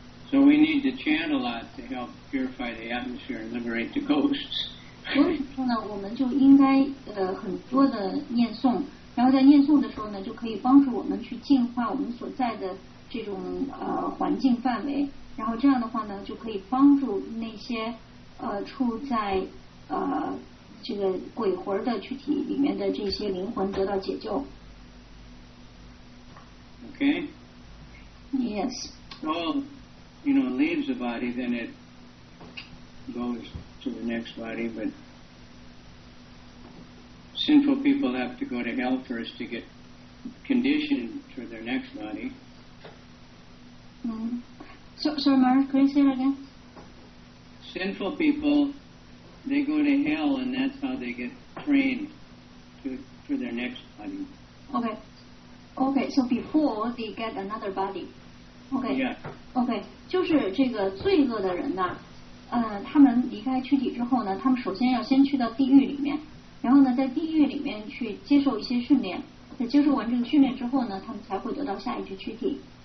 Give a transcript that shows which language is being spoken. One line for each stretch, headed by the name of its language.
English: So we need to chant a lot to help purify the atmosphere and liberate the ghosts.
Chinese: 所以说呢，我们就应该很多的念诵，然后在念诵的时候呢，就可以帮助我们去净化我们所在的这种环境范围，然后这样的话呢，就可以帮助那些处在这个鬼魂的躯体里面的这些灵魂得到解救。
English: Okay. Yes. So, you know, leaves the body, then it goes to the next body. But sinful people have to go to hell first to get conditioned for their next body. So Mark, can you say it again? Sinful people, they go to hell, and that's how they get trained for their next body. Okay. Okay, so before they get another body. Okay,、 yeah.
Chinese: okay, 就是这个罪恶的人呢、他们离开躯体之后呢，他们首先要先去到地狱里面，然后呢，在地狱里面去接受一些训练，在接受完这个训练之后呢，他们才会得到下一具躯体。